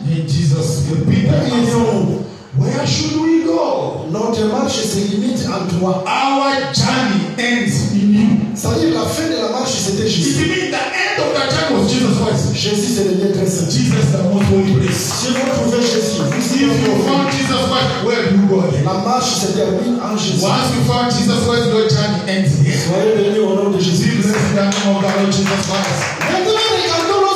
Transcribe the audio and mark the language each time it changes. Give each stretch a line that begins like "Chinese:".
English: And Jesus, Peter answered, where should we go?
French: Notre marche se limite à toi.
English: Our journey ends in you.
French: C'est-à-dire la fin de la marche c'était Jésus.
English: It means the end of the journey was Jesus Christ.
French: Jésus c'est le lieu très saint.
English: Jesus is the most holy place.
French: Si vous trouvez Jésus,
English: if you found Jesus Christ, where do you go?
French: La marche se termine en Jésus.
English: Once you found Jesus Christ, your journey ends here.
French: Soyez bénis au nom de Jésus.
English: Jesus is the name of the Lord Jesus Christ.